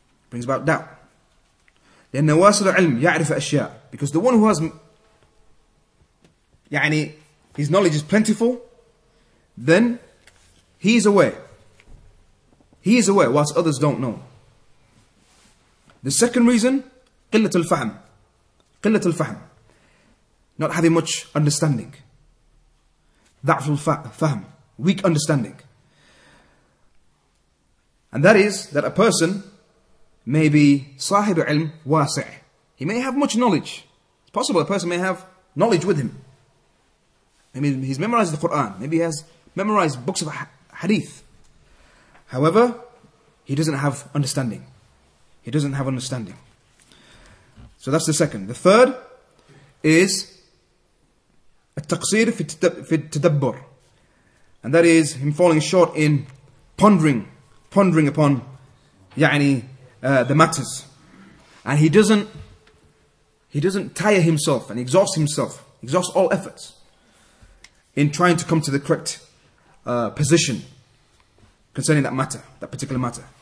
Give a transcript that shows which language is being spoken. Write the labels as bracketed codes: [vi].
[ar] لأن واصل العلم يعرف أشياء. [en] Because the one who has يعني his knowledge is plentiful, then he is aware whilst others don't know. The second reason, [ar] قلة الفهم, [en] not having much understanding. [ar] ضعف الفهم, [en] weak understanding. And that is that a person may be [ar] صاحب علم واسع. [en] He may have much knowledge. It's possible a person may have knowledge with him. Maybe he's memorized the Quran. Maybe he has memorized books of hadith. However, he doesn't have understanding. He doesn't have understanding. So that's the second. The third is [ar] التقصير في التدبر. [en] And that is him falling short in pondering upon the matters. And he doesn't tire himself and exhaust all efforts in trying to come to the correct position concerning that matter, that particular matter.